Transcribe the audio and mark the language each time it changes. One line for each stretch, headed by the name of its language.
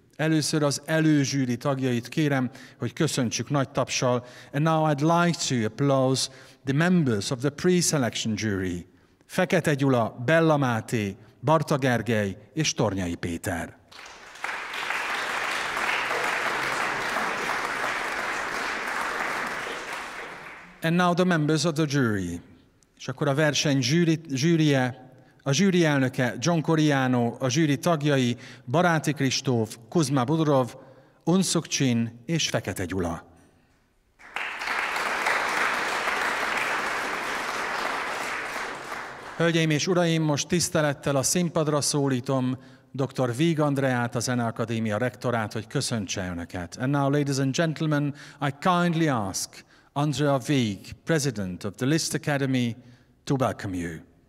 Hungarian: Először az előzsűri tagjait kérem, hogy köszöntsük nagy tapssal.
English: And now I'd like to applause the members of the pre-selection jury.
Hungarian: Fekete Gyula, Bella Máté, Barta Gergely és Tornyai Péter.
English: And now the members of the jury.
Hungarian: És akkor a verseny zsűrije, a zsűri elnöke John Corigliano, a zsűri tagjai Baráti Kristóf, Kuzma Budorov, Unszuk Csin és Fekete Gyula. Hölgyeim és uraim, most tisztelettel a színpadra szólítom Dr. Vigh Andreát, a Zeneakadémia rektorát, hogy köszöntse önöket.
English: And now, ladies and gentlemen, I kindly ask Andrea Vigh, president of the Liszt Academy, to welcome you.